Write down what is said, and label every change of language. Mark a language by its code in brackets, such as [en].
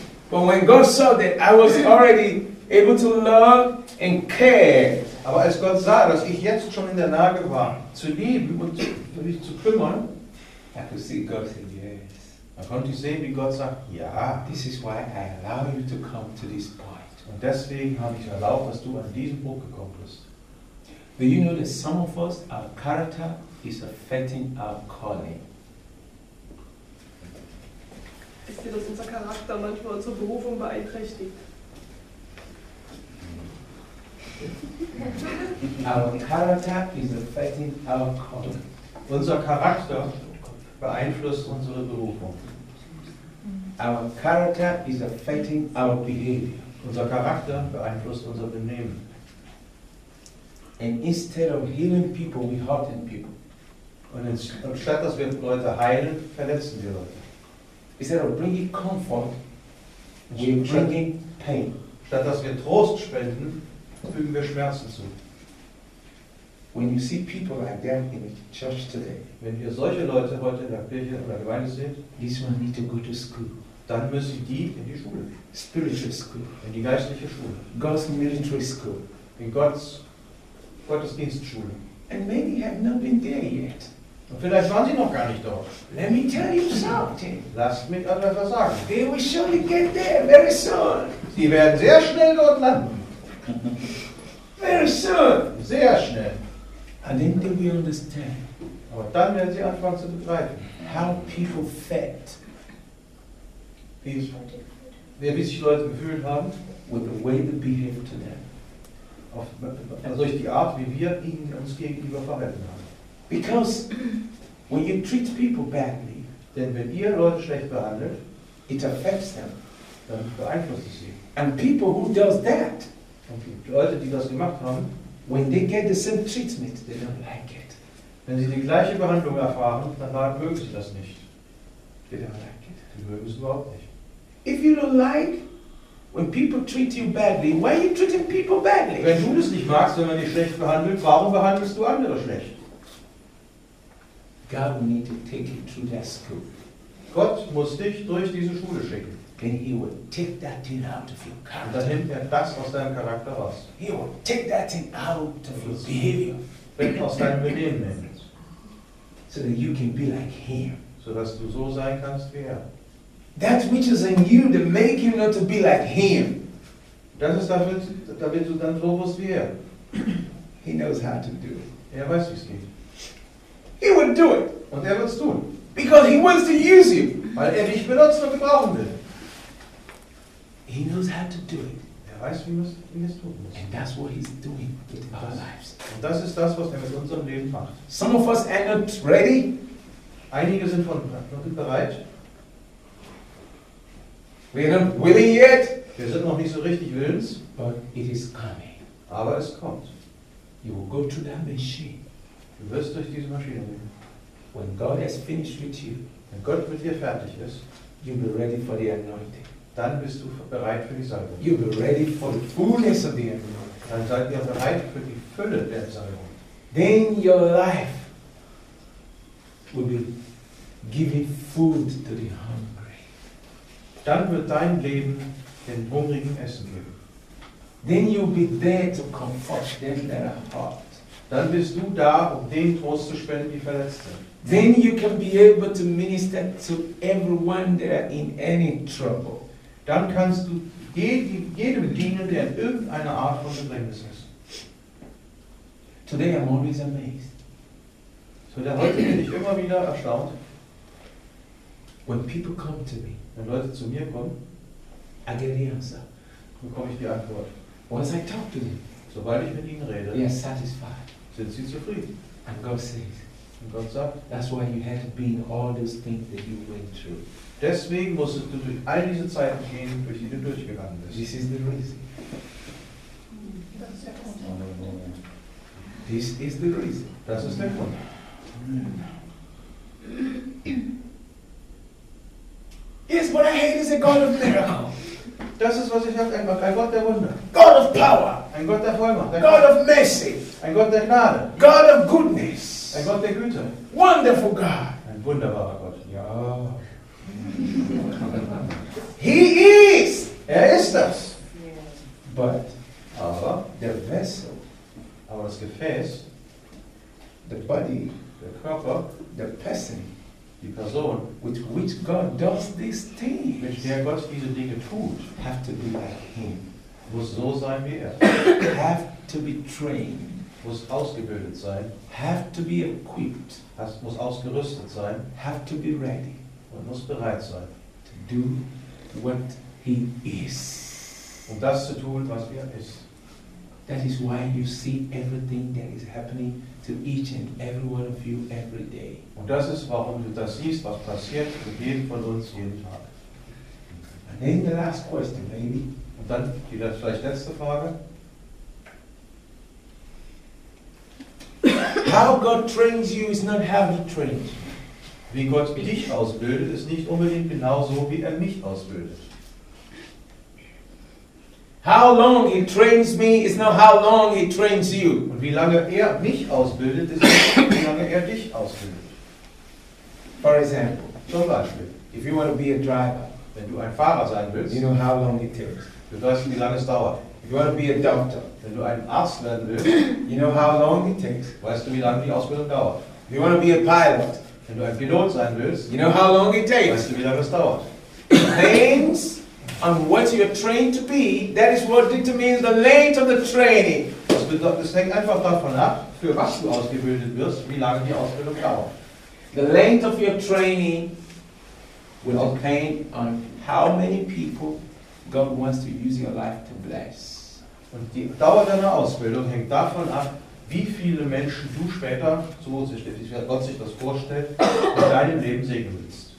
[en] But when God saw that I was already able to love and care. [de] Aber als Gott sah, dass ich jetzt schon in der Lage war, zu lieben und mich zu kümmern, [en] I could see God said yes. [de] Dann konnte ich sehen, wie Gott sagt, ja, [en] this is why I allow you to come to this point. [de] Und deswegen habe ich erlaubt, dass du an diesen Punkt gekommen bist. [en] Do you know that some of us, our character is affecting our calling? [de] Ist dir, dass unser Charakter manchmal unsere Berufung beeinträchtigt? [en] Our character is affecting our calling. [de] Unser Charakter beeinflusst unsere Berufung. [en] Our character is affecting our behavior. [de] Unser Charakter beeinflusst unser Benehmen. [en] And instead of healing people, we hurting people. [de] Und anstatt dass wir Leute heilen, verletzen wir Leute. [en] Instead of bringing comfort, we're bringing pain. [de] Statt dass wir Trost spenden, fügen wir Schmerzen zu. [en] When you see people like that in the church today, [de] wenn ihr solche Leute heute in der Kirche oder Gemeinde seht, [en] these ones need to go to school. [de] Dann müssen die in die Schule. [en] Spiritual school. [de] In die geistliche Schule. [en] God's military school. [de] In Gottesdienstschule. [en] And many have not been there yet. [de] Und vielleicht waren sie noch gar nicht dort. [en] Let me tell you something. [de] Lasst mich euch etwas sagen. [en] They will surely get there very soon. [de] Sie werden sehr schnell dort landen. [en] Very soon. [de] Sehr schnell. [en] And then they will understand. [de] Aber dann werden sie anfangen zu begreifen. [en] How people felt. [de] Wie sich Leute gefühlt haben. [en] With the way they behave to them. [de] Auf, also durch die Art, wie wir ihnen uns gegenüber verhalten haben. [en] Because when you treat people badly, [de] denn wenn ihr Leute schlecht behandelt, [en] it affects them. [de] Dann beeinflusst es sie. [en] And people who does that, [de] und die Leute, die das gemacht haben, [en] when they get the same treatment, they don't like it. [de] Wenn sie die gleiche Behandlung erfahren, dann mögen sie das nicht. [en] They don't like it. [de] Die mögen es überhaupt nicht. [en] If you don't like when people treat you badly, why are you treating people badly? [de] Wenn du das nicht magst, wenn man dich schlecht behandelt, warum behandelst du andere schlecht? [en] God will need to take you through that school. [de] Gott muss dich durch diese Schule schicken. [en] Then he will take that thing out of your character. [de] Und dann nimmt er das aus deinem Charakter raus. [en] He will take that thing out of your behavior. [de] Wenn aus deinem Benehmen nimmt. [en] So that you can be like him. [de] So dass du so sein kannst wie er. [en] That which is in you that make you not to be like him. [de] Das ist damit, damit du dann so wirst wie er. [en] He knows how to do it. [de] Er weiß, wie es geht. [en] He will do it. [de] Und er wird es tun. [en] Because he wants to use you. [de] Weil er dich benutzen und gebrauchen will. [en] He knows how to do it. [de] Er weiß, wie man es tun muss. [en] And that's what he's doing with our lives. [de] Und das ist das, was er mit unserem Leben macht. [en] Some of us are not ready. [de] Einige sind von noch nicht bereit. [en] We are not willing yet. [de] Wir sind noch nicht so richtig willens. [en] But it is coming. [de] Aber es kommt. [en] You will go to that machine. [de] Du wirst durch diese Maschine gehen. [en] When God has finished with you, [de] wenn Gott mit dir fertig ist, [en] you'll be ready for the anointing. [de] Dann bist du bereit für die Salbung. [en] You'll be ready for the fullness of the anointing. [de] Dann seid ihr bereit für die Fülle der Salbung. [en] Then your life will be giving food to the hungry. [de] Dann wird dein Leben den Hungrigen Essen geben. [en] Then you'll be there to comfort them that are hurt. [de] Dann bist du da, um denen Trost zu spenden, die verletzt sind. [en] Then you can be able to minister to everyone that are in any trouble. [de] Dann kannst du jedem dienen, der in irgendeiner Art von Bedrängnis ist. [en] Today I'm always amazed. [de] So der heute bin ich immer wieder erstaunt. [en] When people come to me, [de] wenn Leute zu mir kommen, [en] I get the answer. [de] Bekomme ich die Antwort. [en] Once I talk to them, [de] sobald ich mit ihnen rede, [en] they are satisfied. [de] Sind sie zufrieden? [en] And God says, [de] und Gott sagt, [en] that's why you had to be in all those things that you went through. [de] Deswegen musstest du durch all diese Zeiten gehen, durch die du durchgegangen bist. [en] This is the reason. This is the reason. [de] Das ist der Grund. [en] Yes, what I hate is a God of miracles. [de] Das ist, was ich hab, einfach ein Gott der Wunder. [en] God of power. [de] Ein Gott der Vollmacht. [en] God of mercy. [de] Ein Gott der Gnade. [en] God of goodness. [de] Ein Gott der Güte. [en] Wonderful God. [de] Ein wunderbarer Gott. Ja. [en] He is. [de] Er ist das. [en] But. [de] Aber. [en] The vessel. [de] Aber das Gefäß. [en] The body. [de] Der Körper. [en] The person. [de] Die Person, [en] with which God does these things, [de] mit der Gott diese Dinge tut, [en] have to be like him. [de] Muss so sein wie er. [en] Have to be trained. [de] Muss ausgebildet sein. [en] Have to be equipped. [de] Muss ausgerüstet sein. [en] Have to be ready. [de] Und muss bereit sein. [en] To do what he is. [de] Um das zu tun, was er ist. [en] That is why you see everything that is happening to each and every one of you every day. [de] Und das ist, warum du das siehst, was passiert für jeden von uns jeden Tag. [en] Then the last question, maybe. [de] Und dann die vielleicht letzte Frage. [en] How God trains you is not how He trains. [de] Wie Gott dich ausbildet, ist nicht unbedingt genauso, wie er mich ausbildet. [en] How long He trains me is not how long He trains you. [de] Und wie lange er mich ausbildet, ist nicht wie lange er dich ausbildet. [en] For example, [de] zum Beispiel, [en] if you want to be a driver, [de] wenn du ein Fahrer sein willst, [en] you know how long it takes. [de] Du weißt, wie lange es dauert. [en] If you want to be a doctor, [de] wenn du ein Arzt werden willst, [en] you know how long it takes. [de] Weißt du, wie lange die Ausbildung dauert. [en] If you want to be a pilot, [de] wenn du ein Pilot sein willst, [en] you know how long it takes. [de] Weißt du, wie lange es dauert. [en] Things on what you are trained to be, that is what determines the length of the training. [de] Das bedeutet, es hängt einfach davon ab, für was du ausgebildet wirst, wie lange die Ausbildung dauert. [en] The length of your training will depend on how many people God wants to use your life to bless. [de] Und die Dauer deiner Ausbildung hängt davon ab, wie viele Menschen du später, so wie Gott sich das vorstellt, in deinem Leben segnen willst.